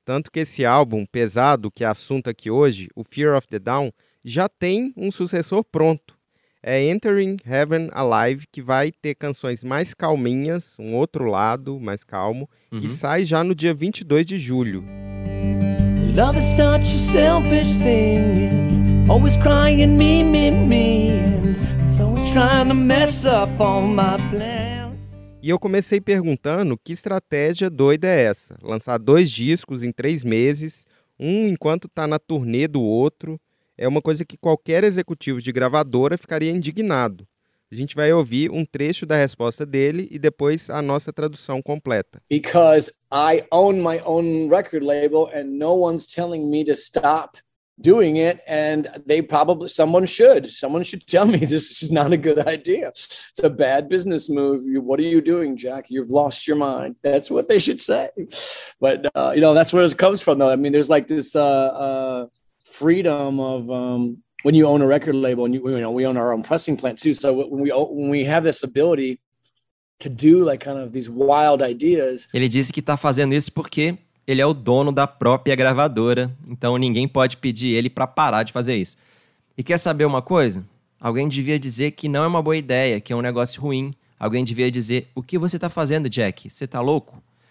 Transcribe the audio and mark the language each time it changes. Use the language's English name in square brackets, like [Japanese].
[Portuguese] Tanto que esse álbum pesado, que é assunto aqui hoje, o Fear of the Dawn, já tem um sucessor pronto. É Entering Heaven Alive, que vai ter canções mais calminhas, um outro lado mais calmo, uhum. E sai já no dia 22 de julho. [English] Love is such a selfish thing, it's always crying me, me, me, it's always trying to mess up all my plans. [Portuguese] E eu comecei perguntando que estratégia doida é essa? Lançar dois discos em 3 meses, um enquanto tá na turnê do outro, é uma coisa que qualquer executivo de gravadora ficaria indignado. A gente vai ouvir um trecho da resposta dele e depois a nossa tradução completa. [English] Because I own my own record label and no one's telling me to stop doing it and they probably someone should tell me this is not a good idea. It's a bad business move. What are you doing, Jack? You've lost your mind. That's what they should say. But you know, that's where it comes from though. I mean, there's like this freedom of when you own a record label and you know, we own our own pressing plant too. So when we have this ability to do like kind of these wild ideas. [Portuguese] Ele disse que tá fazendo isso porque ele é o dono da própria gravadora, então ninguém pode pedir ele para parar de fazer isso. E quer saber uma coisa? Alguém devia dizer que não é uma boa ideia, que é um negócio ruim. Alguém devia dizer: "O que você tá fazendo, Jack? Você tá louco?"